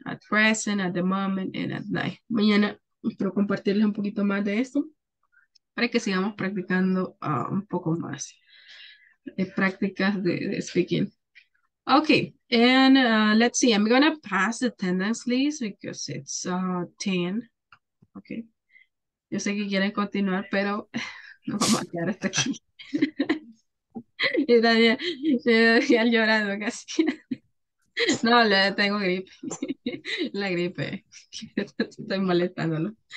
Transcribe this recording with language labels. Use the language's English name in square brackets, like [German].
[English] At present, at the moment, and at night. [Spanish] Mañana espero compartirles un poquito más de esto. Para que sigamos practicando un poco más. Prácticas de speaking. [English] Okay, and let's see. I'm going to pass the attendance list because it's 10. Okay. [Spanish] Yo sé que quieren continuar, pero no vamos a quedar hasta aquí. Y Daniel llorando casi. No, le tengo gripe. La gripe. Estoy molestándolo.